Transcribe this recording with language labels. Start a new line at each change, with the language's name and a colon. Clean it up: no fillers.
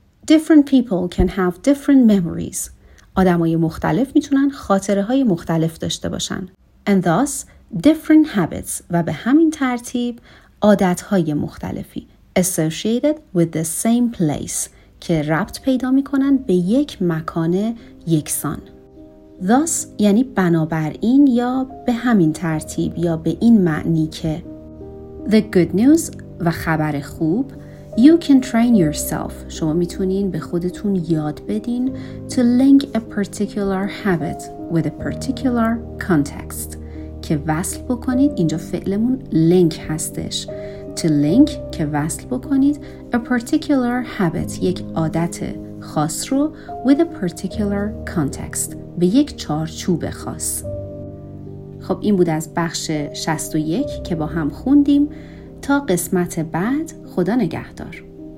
English: Different people can have different memories.
Persian: آدمای مختلف میتونن خاطره های مختلف داشته باشن.
English: And thus different habits
Persian: و به همین ترتیب عادت های مختلفی
English: associated with the same place
Persian: که ربط پیدا میکنن به یک مکان یکسان. Thus یعنی بنابراین یا به همین ترتیب یا به این معنی که.
English: The good news
Persian: و خبر خوب.
English: You can train yourself.
Persian: شما میتونین به خودتون یاد بدین
English: to link a particular habit with a particular context
Persian: که وصل بکنید. اینجا فعلمون link هستش.
English: To link
Persian: که وصل بکنید
English: a particular habit
Persian: یک عادت خاص رو
English: with a particular context
Persian: به یک چارچوب خاص. خب این بود از بخش 61 که با هم خوندیم. تا قسمت بعد خدا نگهدار.